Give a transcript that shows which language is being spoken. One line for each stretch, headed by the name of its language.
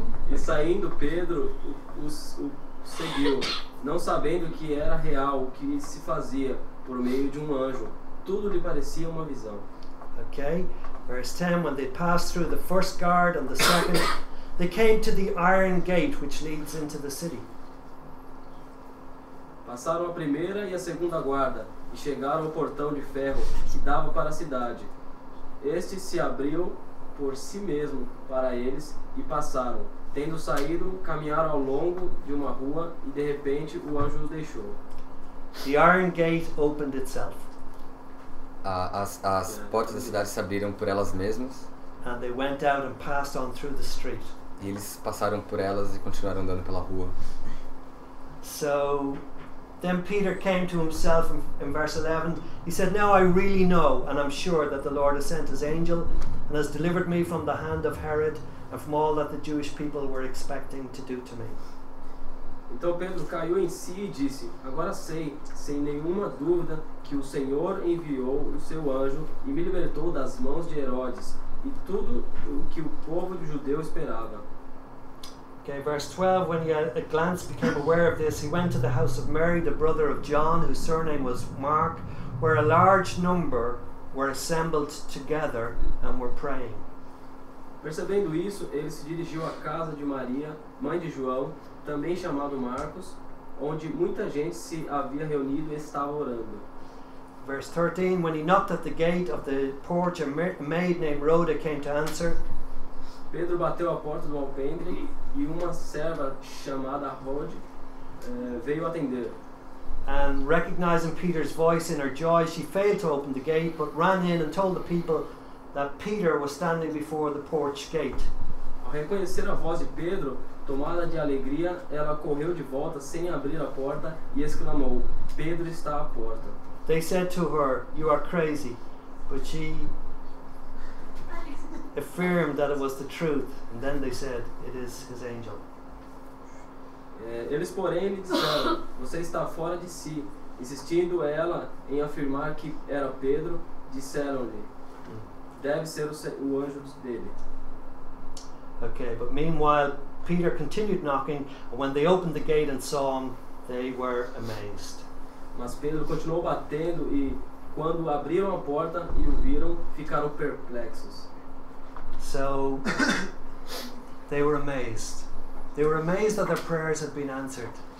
Portuguese: E saindo Pedro o seguiu, não sabendo que era real o que se fazia por meio de um anjo. Tudo lhe parecia uma visão.
English: Okay, verse 10. When they passed through the first guard and the second, they came to the iron gate which leads into the city.
Portuguese: Passaram a primeira e a segunda guarda e chegaram ao portão de ferro que dava para a cidade. Este se abriu por si mesmo para eles e passaram. Tendo saído, caminharam ao longo de uma rua e de repente o anjo os deixou.
English: The iron gate opened itself.
Portuguese: As portas da cidade se abriram por elas mesmas.
English: And they went out and passed on through the street.
Portuguese: E eles passaram por elas e continuaram andando pela rua.
English: So then Peter came to himself in verse 11. He said, "Now I really know and I'm sure that the Lord has sent his angel and has delivered me from the hand of Herod and from all that the Jewish people were expecting to do to me."
Portuguese: Então Pedro caiu em si e disse, "Agora sei, sem nenhuma dúvida, que o Senhor enviou o seu anjo e me libertou das mãos de Herodes e tudo o que o povo judeu esperava."
English: Okay, verse 12, when he had a glance became aware of this, he went to the house of Mary, the brother of John, whose surname was Mark, where a large number were assembled together and were praying.
Portuguese: Percebendo isso, ele se dirigiu à casa de Maria, mãe de João, também chamado Marcos, onde muita gente se havia reunido e estava orando.
English: Verse 13, when he knocked at the gate of the porch, a maid named Rhoda came to answer.
Portuguese: Pedro bateu a porta do alpendre e uma serva chamada Rhoda veio atender.
English: And recognizing Peter's voice in her joy, she failed to open the gate, but ran in and told the people that Peter was standing before the porch gate.
Portuguese: Ao reconhecer a voz de Pedro, tomada de alegria, ela correu de volta sem abrir a porta e exclamou, Pedro está à porta.
English: They said to her, you are crazy. But she affirmed that it was the truth. And then they said, it is his angel.
Portuguese: Eles, porém, lhe disseram, você está fora de si. Insistindo ela em afirmar que era Pedro, disseram-lhe, deve ser o anjo dele.
English: Okay, but meanwhile, Peter continued knocking, and when they opened the gate and saw him, they were amazed.
Portuguese: Mas Pedro continuou batendo, e quando abriram a porta e o viram, ficaram perplexos.
English: So, they were amazed. They were amazed that their prayers had been answered.